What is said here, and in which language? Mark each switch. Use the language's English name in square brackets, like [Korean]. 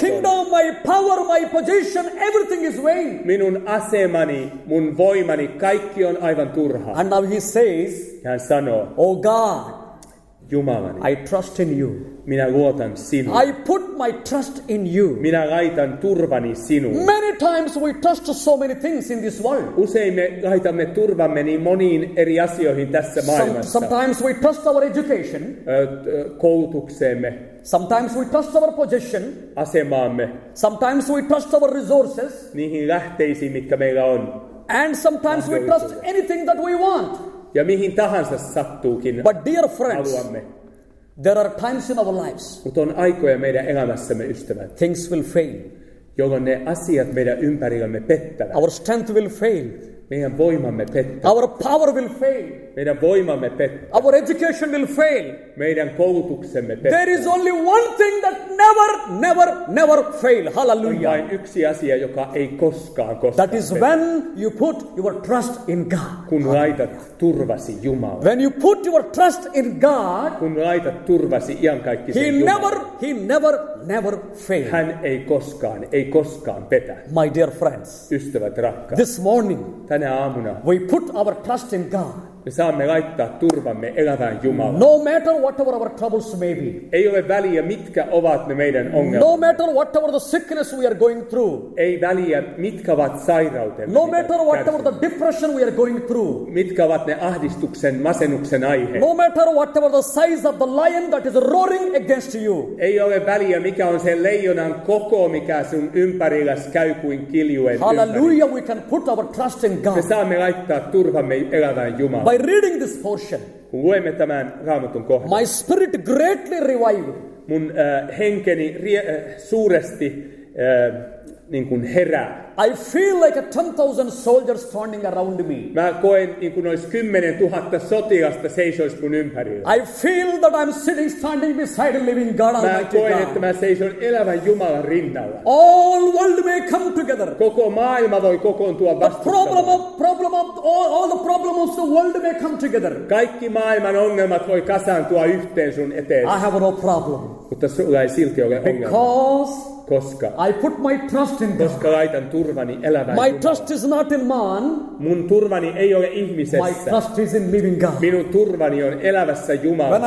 [English] My kingdom, my power, my position, everything is vain. [Finnish] Minun asemani, mun voimani, kaikki on aivan turha. [English] And now he says, [Finnish] ja hän sanoo, [English] oh God, [Finnish] Jumalani, [English] I trust in you. [Finnish] Minä luotan sinuun. [English] I put my trust in you. [Finnish] Minä laitan turvani sinuun. [English] Many times we trust so many things in this world. [Finnish] Usein me laitamme turvamme niin moniin eri asioihin tässä maailmassa. [English] Sometimes we trust our education. [Finnish] Koulutukseemme. [English] Sometimes we trust our position. [Finnish] Asemaamme. [English] Sometimes we trust our resources. [Finnish] Niihin lähteisiin, mitkä meillä on. [English] And sometimes we trust anything that we want. [Finnish] Ja mihin tahansa sattuukin. [English] But dear friends, [Finnish] haluamme. [English] There are times in our lives. [Finnish] Mutta on aikoja meidän elämässämme, ystävät. [English] Things will fail. [Finnish] Jolloin ne asiat meidän ympärillämme pettävät. [English] Our strength will fail. [Finnish] Meidän voimamme pettää. [English] Our power will fail. [Finnish] Meidän voimamme pettää. [English] Our education will fail. [Finnish] Meidän koulutuksemme pettää. [English] There is only one thing that never, never, never fail. Hallelujah. [Finnish] On vain yksi asia, joka ei koskaan koskaan. [English] That is pettä. When you put your trust in God. [Finnish] Kun laitat turvasi Jumalaan. [English] When you put your trust in God. [Finnish] Kun laitat turvasi iankaikkisen [English] Jumalaan. He never, never fail. [Finnish] Hän ei koskaan petä. [English] My dear friends. [Finnish] Ystävät rakkaat. [English] This morning. [Finnish] Tänä aamuna. [English] We put our trust in God. [Finnish] me saamme laittaa turvamme elävään Jumalaan. [English] No matter whatever our troubles may be. [Finnish] Ei ole väliä, mitkä ovat ne meidän ongelmat. [English] No matter whatever the sickness we are going through. [Finnish] Ei väliä, mitkä ovat sairautemme. [English] No matter whatever the depression we are going through. [Finnish] Mitkä ovat ne ahdistuksen, masennuksen aihe. [English] No matter whatever the size of the lion that is roaring against you. [Finnish] Ei ole väliä, mikä on se leijonan koko, mikä sun ympärilläs käy kuin kiljuen. [English] Hallelujah, we can put our trust in God. [Finnish] Me saamme laittaa turvamme elävään Jumalaan. [English] By reading this portion, [Finnish] kun luemme tämän Raamatun kohdan, [English] my spirit greatly revived. [Finnish] Mun henkeni suuresti niin kuin herää. [English] I feel like a 10,000 soldiers standing around me. [Finnish] Mä koen niin kuin olisi 10,000 sotilasta seisois mun ympärillä. [English] I feel that I'm sitting standing beside a living God. [Finnish] Mä koen, että mä seison elävän Jumalan rinnalla. [English] All world may come together. [Finnish] Koko maailma voi kokoontua vastustamaan. [English] The problem of all the problems of the world may come together. [Finnish] Kaikki maailman ongelmat voi kasaantua yhteen sun eteen. [English] I have no problem. [Finnish] Mutta sulla ei silti ole ongelma. [English] Because [Finnish] koska [English] I put my trust in God. [Finnish] Koska laitan turvani elävään [English] Jumalaan. My trust is not in man. [Finnish] Mun turvani ei ole ihmisessä. [English] My trust is in living God. [Finnish] Minun turvani on elävässä Jumalassa.